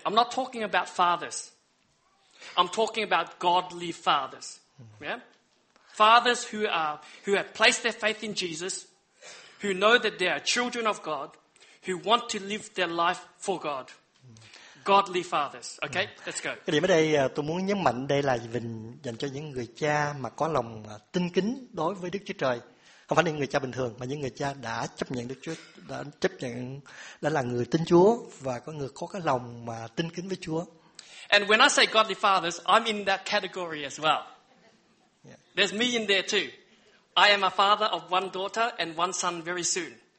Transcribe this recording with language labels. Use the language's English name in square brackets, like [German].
[English] I'm not talking about fathers. I'm talking about godly fathers. Yeah? Fathers who have placed their faith in Jesus, who know that they are children of God, who want to live their life for God. Godly fathers. Okay, let's go. [Vietnamese] Cái điểm ở đây tôi muốn nhấn mạnh đây là dành cho những người cha mà có lòng tin kính đối với Đức Chúa Trời. không phải những người cha bình thường, mà những người cha đã chấp nhận Đức Chúa, đã chấp nhận, đã là người tin Chúa và có người có cái lòng mà tin kính với Chúa. [English] And when I say godly fathers, I'm in that category as well. Yeah. There's me in there too. I am a father of one daughter and one son very soon.